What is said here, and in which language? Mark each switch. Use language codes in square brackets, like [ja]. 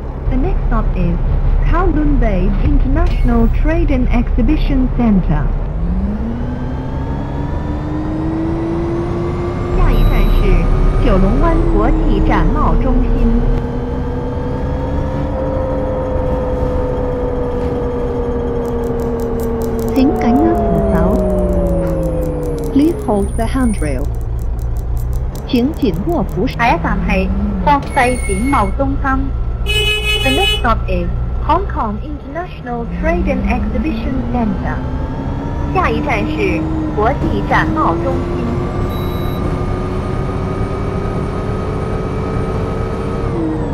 [en] The next stop is Kowloon Bay International Trade and Exhibition Center. [zh] 下一站是九龙湾国际展贸中心。请紧握扶手。 [en] Please hold the handrail. [zh] 请紧握扶手。下一站是国际展贸中心。 [en] The next stop is Hong Kong International Trade and Exhibition Center. [zh] 下一站是国际展贸中心。